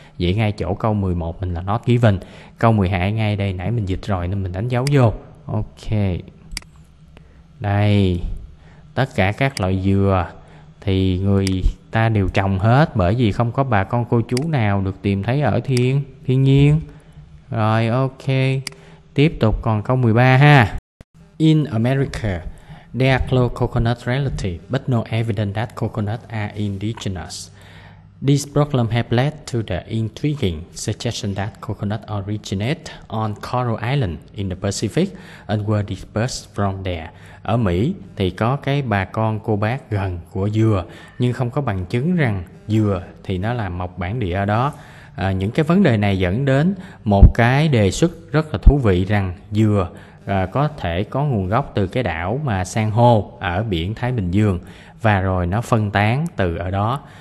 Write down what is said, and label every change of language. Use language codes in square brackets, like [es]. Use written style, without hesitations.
[vi] Vậy ngay chỗ câu 11 mình là not given, câu 12 ngay đây nãy mình dịch rồi nên mình đánh dấu vô. Ok. Đây. Tất cả các loại dừa thì người ta đều trồng hết bởi vì không có bà con cô chú nào được tìm thấy ở thiên nhiên. Rồi ok. Tiếp tục còn câu 13 ha. [en] In America, there are close coconut relatives, but no evidence that coconut are indigenous. This problem has led to the intriguing suggestion that coconuts originate on coral island in the Pacific and were dispersed from there. [vi] Ở Mỹ thì có cái bà con cô bác gần của dừa, nhưng không có bằng chứng rằng dừa thì nó là mọc bản địa ở đó. Những cái vấn đề này dẫn đến một cái đề xuất rất là thú vị rằng dừa có thể có nguồn gốc từ cái đảo mà san hô ở biển Thái Bình Dương và rồi nó phân tán từ ở đó.